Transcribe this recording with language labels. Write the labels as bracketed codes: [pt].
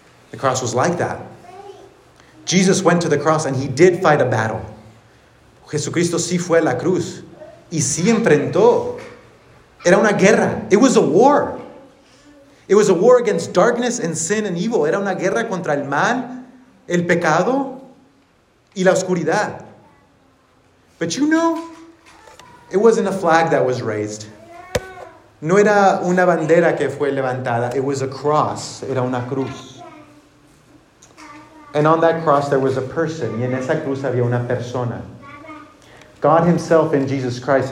[en] The cross was like that. Jesus went to the cross and he did fight a battle. [es] Jesucristo sí fue a la cruz. Y sí enfrentó. Era una guerra. [en] It was a war. It was a war against darkness and sin and evil. [es] Era una guerra contra el mal, el pecado y la oscuridad. [en] But you know, it wasn't a flag that was raised. [es] No era una bandera que fue levantada. [en] It was a cross. [es] Era una cruz. [en] And on that cross there was a person. [es] Y en esa cruz había una persona. [en] God himself in Jesus Christ.